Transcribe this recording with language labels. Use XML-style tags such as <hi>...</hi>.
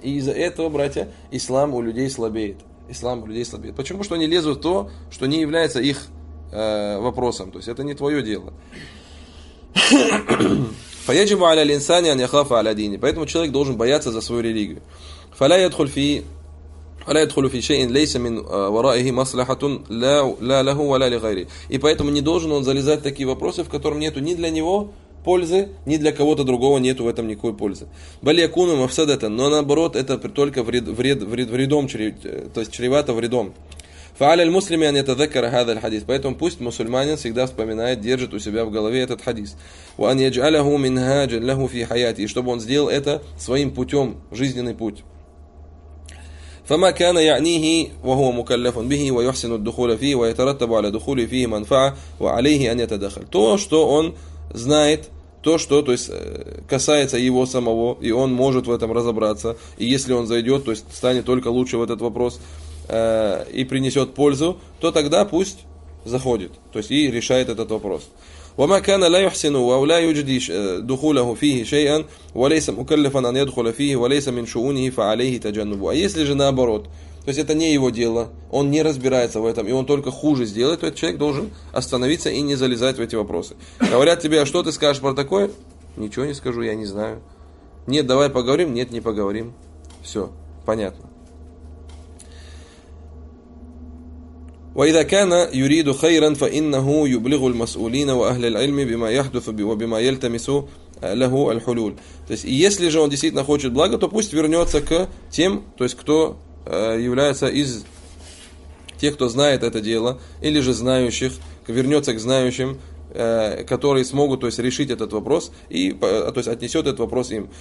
<ru>И из-за этого, братья, ислам у людей слабеет. Ислам у людей слабеет. Почему? Что они лезут в то, что не является их вопросом. То есть это не твое дело.</ru> <ar>Фаяджибу аля линсани ан яхафа аля дини.</ar> <ru>Поэтому человек должен бояться за свою религию.</ru> <ar>Фаля ядхуль фи... ولا يدخل في شيء ليس من ورائه مصلحة لا له ولا لغيره.</ar> <ru>И поэтому не должен он залезать в такие вопросы, в котором нету ни для него пользы, ни для кого-то другого нету в этом никакой пользы. Более куну мавсад это, но наоборот, это только вредом, то есть чревато вредом.</ru> <ar>فعلى المسلم أن يتذكر هذا الحديث.</ar> <ru>Поэтому пусть мусульманин всегда вспоминает, держит у себя в голове этот хадис.</ru> <ar>وأن يجعله منهاجا له في حياته.</ar> <ru>И чтобы он сделал это своим путем, жизненный путь.</ru> <ar>فما كان يعنيه وهو مكلف به ويحسن الدخول فيه ويترتب على دخوله فيه منفعة وعليه أن يتدخل.</ar> <ru>То, что он знает, то есть касается его самого, и он может в этом разобраться, и если он зайдет, то есть станет только лучше в этот вопрос и принесет пользу, то тогда пусть заходит, то есть и решает этот вопрос.</ru> <ar>وما كان لا يحسن أو لا يجدي دخوله فيه شيئا وليس مكلفا أن يدخل فيه وليس من شؤونه فعليه تجنبه.</ar> <ru>А если же наоборот, то есть это не его дело, он не разбирается в этом, и он только хуже сделает, то этот человек должен остановиться и не залезать в эти вопросы. Говорят тебе, а что ты скажешь про такое? Ничего не скажу, я не знаю. Нет, давай поговорим, нет, не поговорим. Все, понятно.</ru> <ar>وإذا كان يريد خيرا فإنه يبلغ المسؤولين وأهل العلم بما يحدث وبما يلتمس له الحلول.</ar> <ru>То есть если же он действительно хочет блага, то пусть вернется к тем, то есть кто является из тех, кто знает это дело, или же знающих, вернется к знающим, которые смогут, то есть, решить этот вопрос и, то есть, отнесет этот вопрос им.</ru>